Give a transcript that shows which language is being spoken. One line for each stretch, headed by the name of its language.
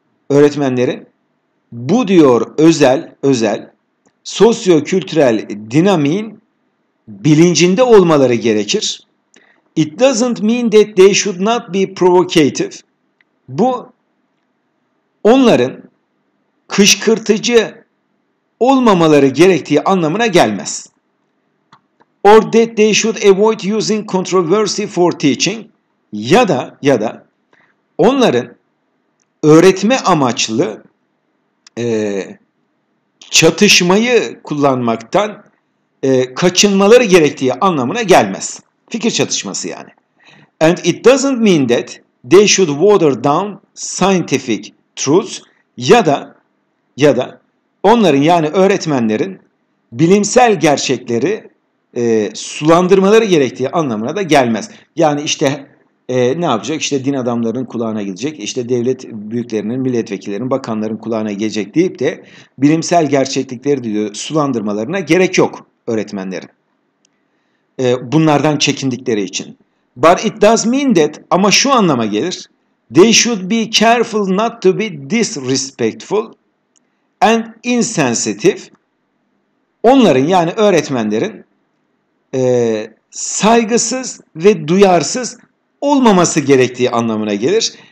Turkish: Öğretmenlerin bu diyor özel sosyo-kültürel dinamiğin bilincinde olmaları gerekir.
English: It doesn't mean that they should not be provocative.
Turkish: Bu onların kışkırtıcı olmamaları gerektiği anlamına gelmez.
English: Or that they should avoid using controversy for teaching.
Turkish: Ya da onların öğretme amaçlı çatışmayı kullanmaktan kaçınmaları gerektiği anlamına gelmez. Fikir çatışması yani.
English: And it doesn't mean that they should water down scientific truths
Turkish: ya da onların yani öğretmenlerin bilimsel gerçekleri sulandırmaları gerektiği anlamına da gelmez. Yani işte ne yapacak? İşte din adamlarının kulağına gidecek. İşte devlet büyüklerinin, milletvekillerinin, bakanların kulağına gelecek deyip de bilimsel gerçeklikleri diyor sulandırmalarına gerek yok öğretmenlerin. Bunlardan çekindikleri için.
English: But it does mean that
Turkish: ama şu anlama gelir.
English: They should be careful not to be disrespectful and insensitive.
Turkish: Onların yani öğretmenlerin saygısız ve duyarsız olmaması gerektiği anlamına gelir.